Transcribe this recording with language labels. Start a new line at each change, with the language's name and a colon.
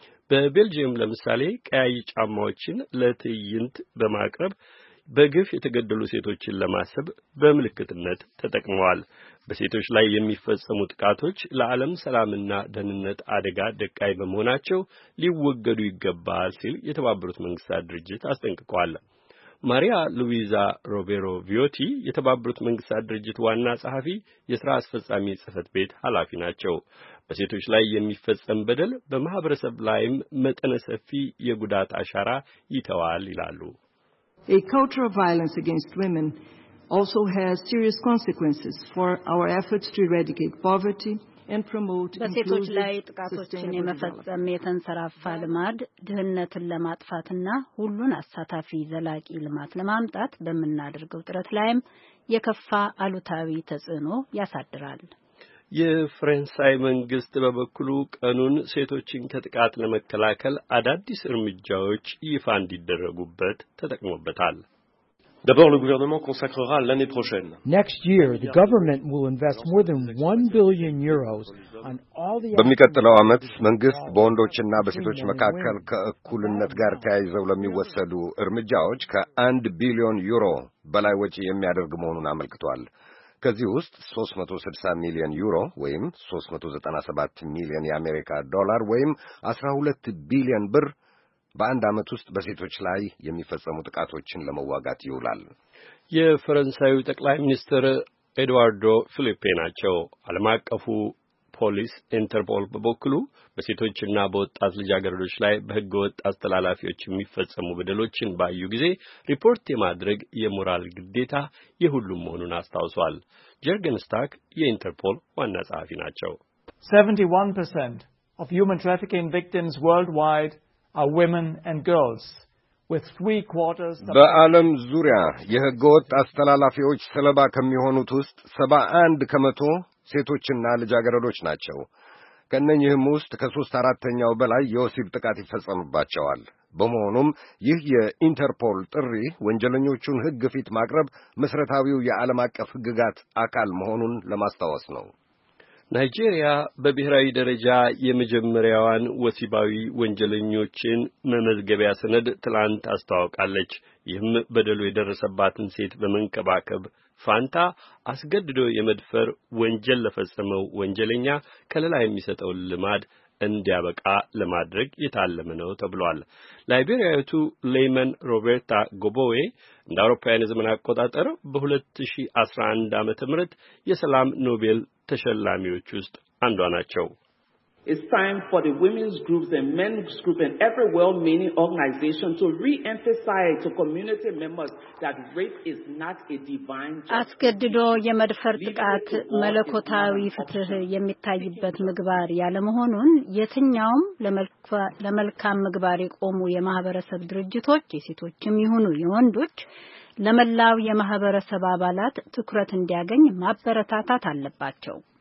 Amharic: በቤልጅየም ለምሳሌ ቀያይ ጫማዎችን ለትዕይንት በማቅረብ በግፍ የተገደሉ ሴቶችን ለማሰብ በምልክትነት ተጠቅመዋል። በሴቶች ላይ የሚፈጸሙ ጥቃቶች ለዓለም ሰላምና ደህንነት አደጋ ደቃይ በመሆናቸው ሊወገዱ ይገባል ሲል የተባበሩት መንግስታት ድርጅት አስጠንቅቋል። ማሪያ ሉዊዛ ሮቤሮ ቪዮቲ የተባበሩት መንግስታት ድርጅት ዋና ጸሐፊ የሥራ አስፈጻሚ ጽሕፈት ቤት ኃላፊ ናቸው። በሴቶች ላይ የሚፈጸም በደል በማህበረሰብ ላይም መጠነ ሰፊ የጉዳት አሻራ ይተዋል ይላሉ።
English: A culture of violence against women also has serious consequences for our efforts to eradicate poverty and promote
Amharic: በሴቶች ላይ ጥቃቶችን የመፈጸም የተንሰራፋ ልማድ ድህነትን ለማጥፋትና ሁሉን አሳታፊ ዘላቂ ልማት ለማምጣት በመናደርገው ጥረት ላይም የከፋ አሉታዊ ተጽዕኖ ያሳድራል። የፍራንሳይ መንግስት በበኩሉ ቀኑን ሴቶችን ከጥቃት ለመከላከል አዳዲስ እርምጃዎች ይፋ እንዲደረጉበት ተጠቅሞበታል።
French: D'abord, le gouvernement consacrera l'année prochaine.
English: Next year, the government will invest more than 1 billion euros on all the
Amharic: በሚቀጥለው አመት መንግስት ቦንዶችና በሴቶች መካከል ከእኩልነት ጋር ተያይዘው ለሚወሰዱ እርምጃዎች ከ1 ቢሊዮን ዩሮ በላይ ወጪ የሚያደርግ መሆኑን አመልክቷል። ከዚህ ውስጥ 360 ሚሊዮን ዩሮ ወይም 397 ሚሊዮን የአሜሪካ ዶላር ወይም 12 ቢሊዮን ብር በአንድ አመት ውስጥ በሴቶች ላይ የሚፈጸሙ ጥቃቶችን ለመዋጋት ይውላል። የፈረንሳዩ ጠቅላይ ሚኒስትር ኤድዋርዶ ፊሊፔ ናቸው። ዓለም አቀፉ ፖሊስ ኢንተርፖል በበኩሉ በሴቶችና በወጣት ልጃገረዶች ላይ በህገወጥ አስተላላፊዎች የሚፈጸሙ በደሎችን ባዩ ጊዜ ሪፖርት የማድረግ የሞራል ግዴታ የሁሉም መሆኑን አስታውሷል። ጀርገን ስታክ የኢንተርፖል ዋና ጸሐፊ ናቸው።
English: 71% of human trafficking victims worldwide are women and girls with 3/4
Amharic: በአለም ዙሪያ የህገወጥ አስተላላፊዎች ሰለባ ከመሆኑት ውስጥ 71% ሴቶችና ልጃገረዶች ናቸው። ከነኚህም ውስጥ ከ3/4 በላይ የወሲብ ጥቃት ይፈጸምባቸዋል። በመሆኑም ይህ የኢንተርፖል ጥሪ ወንጀለኞቹን ህግ ፊት ማቅረብ መስረታዊው የዓለም አቀፍ ህግጋት አካል መሆኑን ለማስተዋወስ ነው። ናይጄሪያ በብሔራዊ ደረጃ የመጀመሪያዋን ወሲባዊ ወንጀለኞችን መመዝገቢያ ሰነድ ትላንት አስተዋውቃለች። ይህም በደሉ የደረሰባትን ሴት በመንከባከብ ፋንታ አስገድዶ የመድፈር ወንጀል ለፈጸመው ወንጀለኛ ከለላ የሚሰጠው ልማድ እንዲያበቃ ለማድረግ የታለመ ነው ተብሏል። ላይቤሪያዊቱ ሌመን ሮቤርታ ጎቦዌ እንደ አውሮፓውያን ዘመን አቆጣጠር በ2011 ዓመተ ምህረት የሰላም ኖቤል ተሸላሚዎች ውስጥ አንዷ ናቸው።
English: It's time for the women's groups and men's groups and every well-meaning organization to re-emphasize to community members that rape is not a divine justice.
Amharic: አስገድዶ የመድፈር ጥቃት መለኮታዊ ፍትህ የሚታይበት ምግባር ያለመሆኑን የትኛውም ለመልካም ምግባር የቆሙ የማህበረሰብ ድርጅቶች የሴቶችም ይሁኑ የወንዶች ለመላው የማህበረሰብ አባላት ትኩረት እንዲያገኝ ማበረታታት አለባቸው።